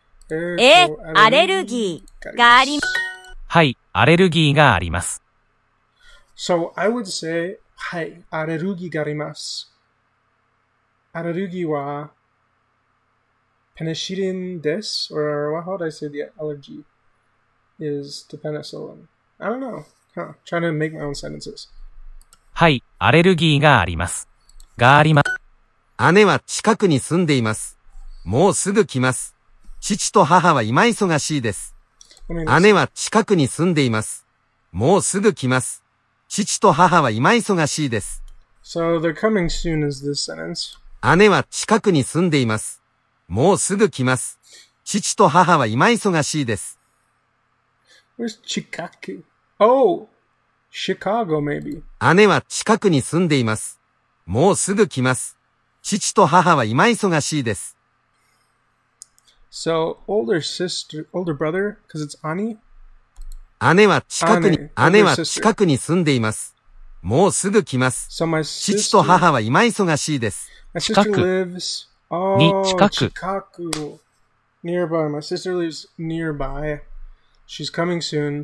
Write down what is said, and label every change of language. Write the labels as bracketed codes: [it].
[ja] ー。アレルギーがあります。はい、アレルギーがあります。 [en] So, I would say, [ja] はい、アレルギーがあります。アレルギーは、ペニシリンです。 [en] Or, how would I say the allergy is to penicillin? I don't know. Huh, trying to make my own sentences. [ja] はい、アレルギーがあります。があります。姉は近くに住んでいます。もうすぐ来ます。父と母は今忙しいです。姉は近くに住んでいます。もうすぐ来ます。父と母は今忙しいです。 [en] So they're coming soon is this sentence. [ja] 姉は近くに住んでいます。もうすぐ来ます。父と母は今忙しいです。 [en] Where's 近く?Oh, Chicago maybe. [ja] 姉は近くに住んでいます。もうすぐ来ます。父と母は今忙しいです。 [en] So, older sister, older brother, cause it's Ani? [ja] 姉は近くに、姉は近くに住んでいます。もうすぐ来ます。 [en] So、my sister, [ja] 父と母は今忙しいです。近く。 [en] Lives, oh, [ja] に近く。近く。 [en] Nearby. My sister lives nearby. She's coming soon.